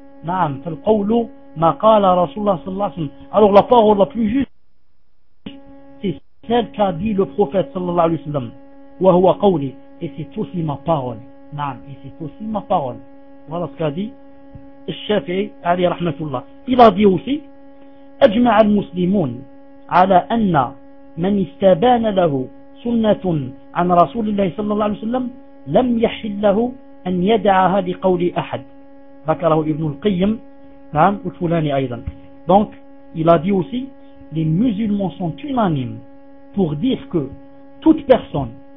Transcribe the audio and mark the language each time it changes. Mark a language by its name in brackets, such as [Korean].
[Arabic] Naam, فَالْقَوْلُ مَا قَالَ رَسُولَ اللَّهِ صَلَّى اللَّهُ عَلَيْهِ وَسَلَّمَ. [French] Alors la parole la plus juste, c'est celle qu'a dit le prophète صلى الله عليه وسلم. [Arabic] وَهُوَ قَوْلِ. [French] Et c'est aussi ma parole. Naam, et c'est aussi ma parole. Voilà ce qu'a dit الشافعي عليه رحمة الله. Il a dit aussi, [Arabic] أجمع المسلمون على أن من استبان له سنة عن رسول الله صلى الله عليه وسلم لم يحل له أن يدعها لقول أحد. Zakarahu Ibn al-Qayyim, Naam, al-Fulani aydan. [French] Donc, il a dit aussi, les musulmans sont unanimes pour dire que toute personne